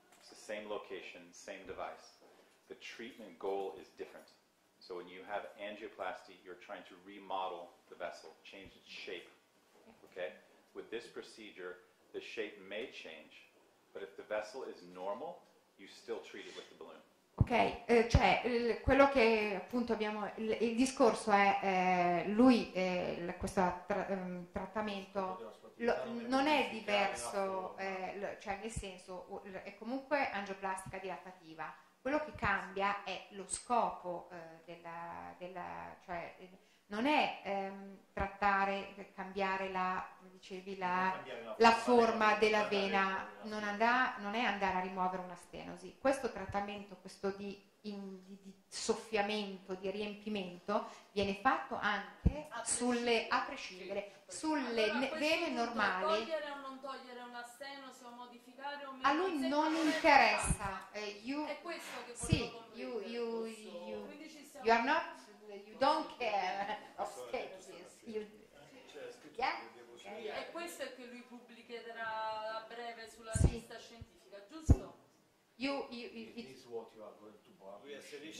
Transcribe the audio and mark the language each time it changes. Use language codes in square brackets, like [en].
[en] It's the same location, same device. The treatment goal is different. So when you have angioplasty, you're trying to remodel the vessel, change its shape, okay? With this procedure, the shape may change, but if the vessel is normal, you still treat it with the balloon. [it] Ok, cioè quello che appunto abbiamo, il discorso è lui, questo trattamento non è diverso, cioè nel senso è comunque angioplastica dilatativa. Quello che cambia è lo scopo della cioè non è trattare, cambiare la, dicevi, la forma della vena, non è andare a rimuovere una stenosi. Questo trattamento, questo di soffiamento, di riempimento, viene fatto anche sulle vene normali. Togliere o non togliere una stenosi o modificare o a lui non interessa. È questo che [en] sì, you are not. You don't care of stenosis. [it] E questo è che lui pubblicherà a breve sulla rivista scientifica, giusto? [en] It is what you are going to publish.